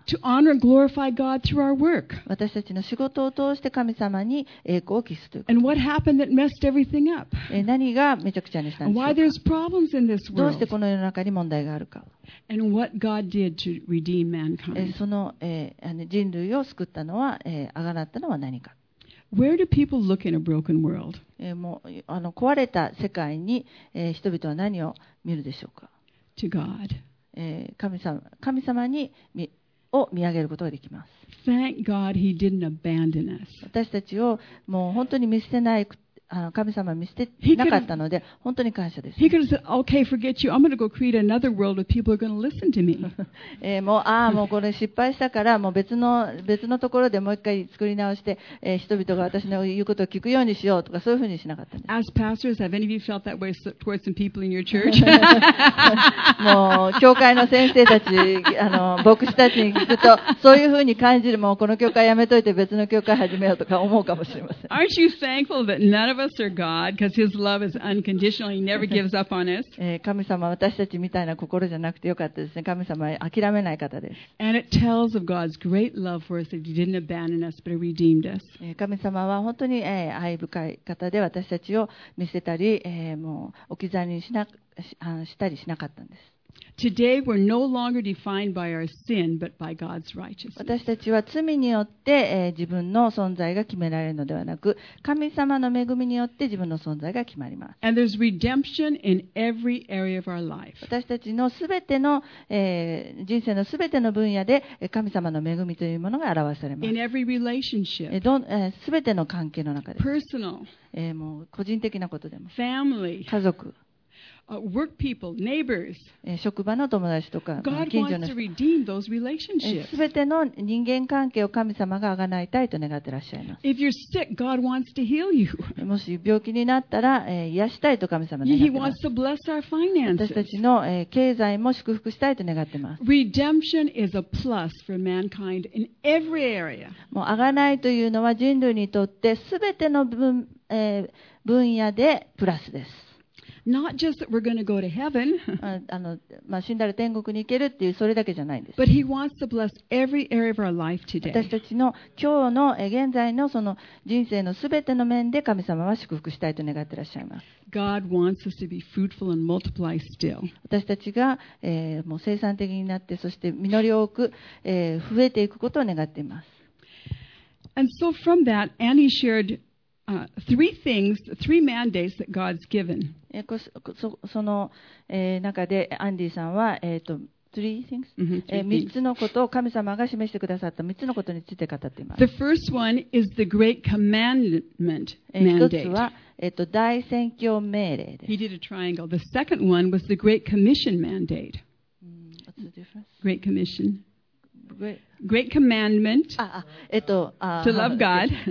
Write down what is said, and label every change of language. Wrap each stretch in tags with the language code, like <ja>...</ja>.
<en>To honor and glorify God through our work.</en> <ja>私たちの仕事を通して神様に栄光を期すということ。</ja> <en>And what happened that messed everything up?</en> <ja>何がめちゃくちゃにしたんでしょうか。</ja> <en>Why there's problems in this world?</en> <ja>どうしてこの世の中に問題があるか。</ja> <en>And what God did to redeem mankind?</en> <ja>その、人類を救ったのは、あがなったのは何か。</ja> <en>Where do people look in a broken world?</en> <ja>もう壊れた世界に、人々は何を見るでしょうか?</ja> <en>To God.</en> <ja>神様に見上げることができます。</ja> <en>Thank God he didn't abandon us.</en> <ja>私たちをもう本当に見捨てない神様は見捨てなかったので本当に感謝です。</ja> <en>He could have said, "Okay, forget you. I'm going to go create another world where people are going to listen to me."</en> <ja>もうこれ失敗したからもう別のところでもう一回作り直して、人々が私の言うことを聞くようにしようとかそういうふうにしなかったんです。</ja> <en>As pastors, have any of you felt that way towards some people in your church?</en> <ja>もう教会の先生たち牧師たちに聞くとそういうふうに感じる、もうこの教会やめといて別の教会始めようとか思うかもしれません。</ja> <en>Aren't you thankful that none of us are God because His love is unconditional. He never gives up on us.</en> <ja>神様は私たちみたいな心じゃなくてよかったですね。神様は諦めない方です。</ja> <en>And it tells of God's great love for us that He didn't abandon us but redeemed us.</en> <ja>神様は本当に愛深い方で私たちを見捨てたり、もう置き去りにしたりしなかったんです。</ja> <en>Today we're no longer defined by our sin, but by God's righteousness.</en> <ja>私たちは罪によって、自分の存在が決められるのではなく、神様の恵みによって自分の存在が決まります。</ja> <en>And there's redemption in every area of our life.</en> <ja>私たちのすべての、人生のすべての分野で神様の恵みというものが表されます。</ja> <en>In every relationship.</en> <ja>すべての関係の中で。</ja> <en>Personal.</en> <ja>もう個人的なことでも。</ja> <en>Family.</en> <ja>家族。</ja> <en>Work people, neighbors.</en> <ja>職場の友達とか近所の人、全ての人間関係を神様が贖いたいと願ってらっしゃいます。</ja> <en>If you're sick, God wants to heal you.</en> <ja>もし病気になったら、癒したいと神様願ってます。</ja> <en>He wants to bless our finances.</en> <ja>私たちの、経済も祝福したいと願ってます。</ja> <en>Redemption is a plus for mankind in every area.</en> <ja>もう贖いというのは人類にとって全ての分野でプラスです。</ja> <en>Not just that we're going to go to heaven.</en> <ja>死んだら天国に行けるっていうそれだけじゃないんです。</ja> <en>But he wants to bless every area of our life today.</en> <ja>私たちの今日の現在のその人生のすべての面で神様は祝福したいと願ってらっしゃいます。</ja> <en>God wants us to be fruitful and multiply still.</en> <ja>私たちが、もう生産的になって、そして実りを多く、増えていくことを願っています。</ja> <en>And so from that, Annie shared three things, three mandates that God's given.</en> <ja>その中でアンディさんは、</ja> <en>three things? Mm-hmm.</en> <ja>3つのことを神様が示してくださった3つのことについて語っています。</ja> <en>The first one is the great commandment mandate.</en> <ja>1つは、大宣教命令です。</ja> <en>He did a triangle. The second one was the great commission mandate. What's the difference? Great commission. Great commandment to love God.</en>